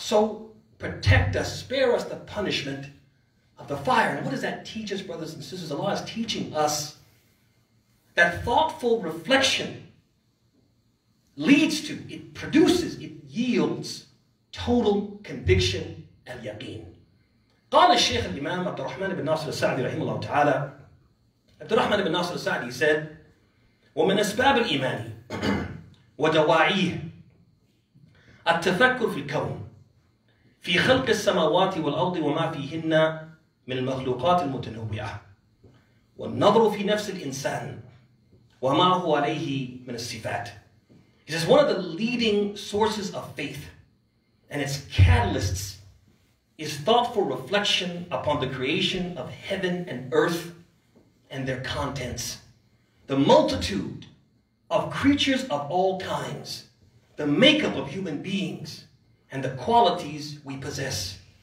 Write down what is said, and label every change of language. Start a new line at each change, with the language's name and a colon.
English: So protect us, spare us the punishment of the fire. And what does that teach us, brothers and sisters? Allah is teaching us that thoughtful reflection leads to, it produces, it yields total conviction and yaqeen.
Arabic: قال الشيخ الإمام عبد الرحمن بن ناصر السعدي رحمه الله تعالى. عبد الرحمن بن ناصر السعدي said, ومن أسباب الإيمان ودواعيه التفكر في الكون في خلق السماوات والأرض وما فيهن من المخلوقات المتنوعة والنظر في نفس الإنسان وما هو عليه من الصفات.
English: He says, one of the leading sources of faith and its catalysts is thoughtful reflection upon the creation of heaven and earth and their contents, the multitude of creatures of all kinds, the makeup of human beings, and the qualities we possess.